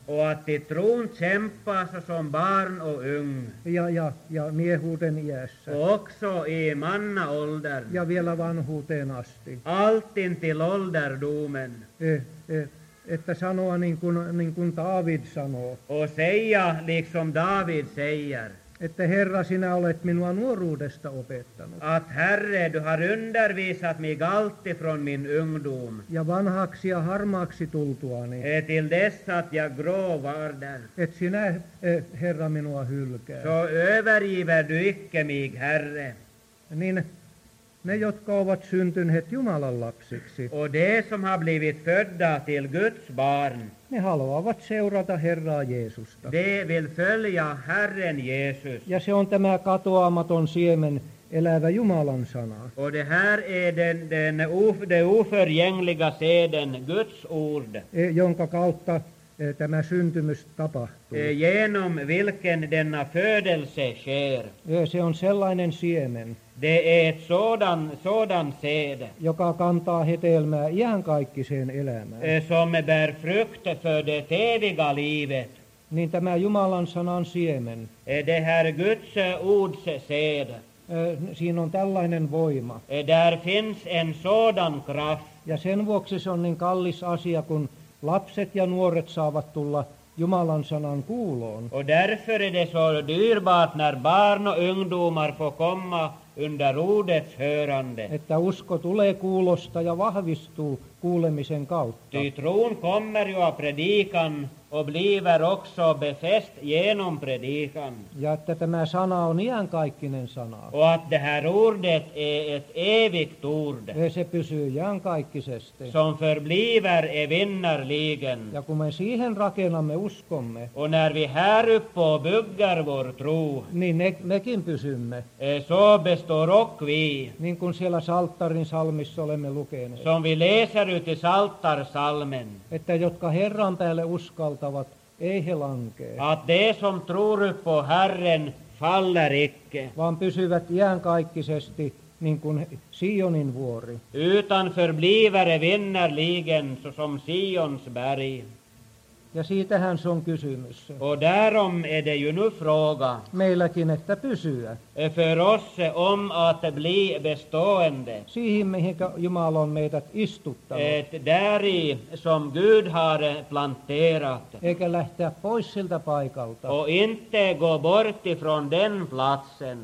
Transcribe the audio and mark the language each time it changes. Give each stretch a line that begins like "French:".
Swedish: Och att i tron kämpas som barn och ung.
Finnish: Ja miehuuden iässä.
Swedish: Också i manna ålder.
Finnish: Ja vielä vanhuuteen asti.
Swedish: Alltin till ålderdomen.
Finnish: Että sanoa niin kuin David sanoo.
Swedish: Och säga liksom David säger.
Finnish: Että Herra, sinä olet minua nuoruudesta opettanut.
Swedish: Att Herre, du har undervisat mig alltid från min ungdom.
Finnish: Ja vanhaksi ja harmaaksi tultuani.
Swedish: Till dess att jag grå var där.
Finnish: Et sinä, Herra, minua hylkää.
Swedish: Så övergiver du icke mig, Herre.
Finnish: Niin, ne jotka ovat syntyneet Jumalan lapsiksi.
Swedish: Och de som har blivit födda till Guds barn.
Finnish: Ne haluavat seurata Herraa Jeesusta.
Swedish: De vill följa Herren Jesus.
Finnish: Ja se on tämä katoamaton siemen elävä Jumalan sana.
Swedish: Och det här är den oförgängliga seden, Guds ord.
Finnish: Jonka kautta tämä syntymys tapahtuu.
Swedish: Genom vilken denna födelse sker.
Finnish: Se on sellainen siemen.
Swedish: Det är ett sådan säd.
Finnish: Joka kantaa hedelmää iankaikkiseen elämään.
Swedish: Som bär frukt för det eviga livet.
Finnish: Niin tämä Jumalan sanan siemen.
Swedish: Det här Guds ords säd.
Finnish: Siinä on tällainen voima.
Swedish: Där finns en sådan kraft.
Finnish: Ja sen vuoksi se on niin kallis asia, kun lapset ja nuoret saavat tulla Jumalan sanan kuuloon.
Swedish: Och därför är det så dyrbart när barn och ungdomar får komma under ordets hörande.
Finnish: Että usko tulee kuulosta ja vahvistuu kuulemisen kautta.
Swedish: Ty tron kommer ju av predikan och blir också befäst genom predikan.
Finnish: Ja että tämä sana on iankaikkinen sana.
Swedish: Och att det här ordet är ett evigt ord.
Finnish: Se pysyy iankaikkisesti.
Swedish: Som förbliver evinnerligen.
Finnish: Ja kun me siihen rakennamme uskomme.
Swedish: Och när vi här uppe och bygger vår tro.
Finnish: Niin mekin pysymme.
Swedish: Så består och vi.
Finnish: Niin kuin siellä Salttarin salmissa olemme lukeneet.
Swedish: Som vi läser ut i Salttarsalmen.
Finnish: Että jotka Herran päälle uskaltavat, ei he lankee.
Swedish: Att de som tror på Herren faller icke.
Finnish: Vaan pysyvät iankaikkisesti, niin kuin Sionin vuori.
Swedish: Utan förbliver evinnerligen, så som Sions berg.
Finnish: Ja siitähän se on kysymys.
Swedish: Och därom är det ju nu fråga.
Finnish: Meilläkin, että pysyä.
Swedish: För oss om att bli bestående.
Finnish: Siihen, mihin Jumala on meidät istuttanut.
Swedish: Et däri, som Gud har planterat.
Finnish: Eikä lähteä pois siltä paikalta.
Swedish: Och inte gå bort ifrån den platsen.